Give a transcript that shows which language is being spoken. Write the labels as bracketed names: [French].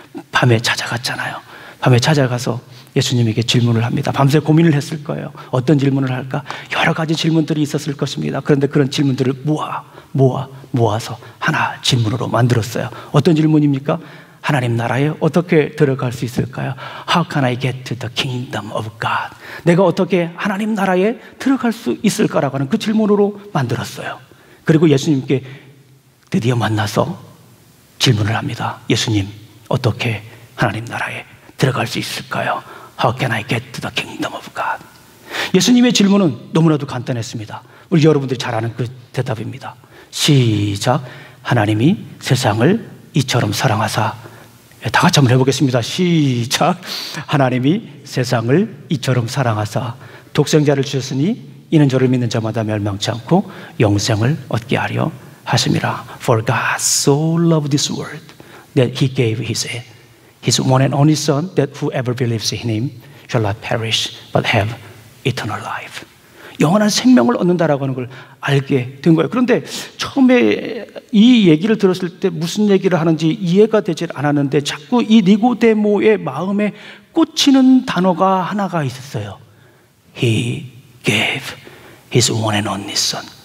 [Korean] 밤에 찾아갔잖아요. 밤에 찾아가서 예수님에게 질문을 합니다. 밤새 고민을 했을 거예요. 어떤 질문을 할까? 여러 가지 질문들이 있었을 것입니다. 그런데 그런 질문들을 모아서 하나 질문으로 만들었어요. 어떤 질문입니까? 하나님 나라에 어떻게 들어갈 수 있을까요? [English] How can I get to the kingdom of God? [Korean] 내가 어떻게 하나님 나라에 들어갈 수 있을까라고 하는 그 질문으로 만들었어요. 그리고 예수님께 드디어 만나서 질문을 합니다. 예수님, 어떻게 하나님 나라에 들어갈 수 있을까요? [English] How can I get to the kingdom of God? [Korean] 예수님의 질문은 너무나도 간단했습니다. 우리 여러분들이 잘 아는 그 대답입니다. 시작! 하나님이 세상을 이처럼 사랑하사. 다 같이 한번 해보겠습니다. 시작! 하나님이 세상을 이처럼 사랑하사 독생자를 주셨으니 이는 저를 믿는 자마다 멸망치 않고 영생을 얻게 하려 하심이라. [English] For God so loved this world that he gave his one and only son, that whoever believes in him shall not perish but have eternal life. [Korean] 영원한 생명을 얻는다라고 하는 걸 알게 된 거예요. 그런데 처음에 이 얘기를 들었을 때 무슨 얘기를 하는지 이해가 되질 않았는데 자꾸 이 니고데모의 마음에 꽂히는 단어가 하나가 있었어요. [English] He gave his one and only son.